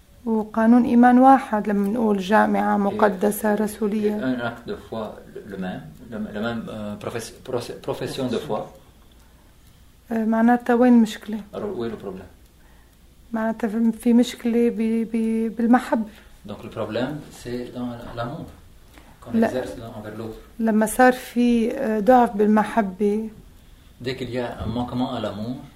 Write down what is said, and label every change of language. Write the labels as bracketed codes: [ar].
[ar] وقانون إيمان واحد لما نقول جامعة مقدسة رسولية. [fr] un acte de foi le même profession de foi. [ar] معناتها وين مشكلة؟ وين البروبلم؟ معناتها في مشكلة بالمحبة. [fr] donc le problème c'est dans l'amour qu'on exerce envers l'autre. [ar] لما صار في ضعف بالمحبة. [fr] dès qu'il y a un manquement à l'amour.